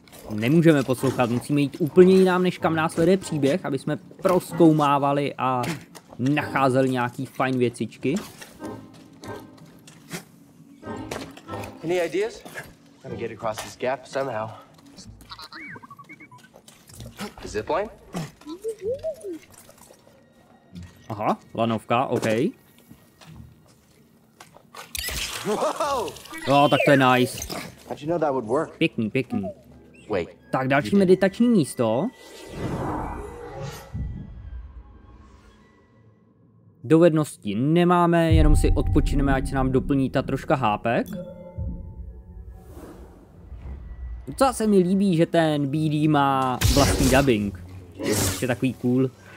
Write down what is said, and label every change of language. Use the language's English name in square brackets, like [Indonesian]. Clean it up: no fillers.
[Czech] Nemůžeme poslouchat, musíme jít úplně jinam, než kam nás vede příběh, aby jsme prozkoumávali a nacházeli nějaký fajn věcičky. [English] Any ideas? Gotta get across this gap somehow. A zipline? [Czech] Aha, lanovka, OK. Whoa! Oh, tak to je nice. [English] How'd you know that would work? [Czech] Pěkný. [English] Wait. [Czech] Tak další meditační místo. Dovednosti nemáme, jenom si odpočineme, ať se nám doplní ta troška hápek. Docela se mi líbí, že ten BD má vlastní dubbing. Je takový cool.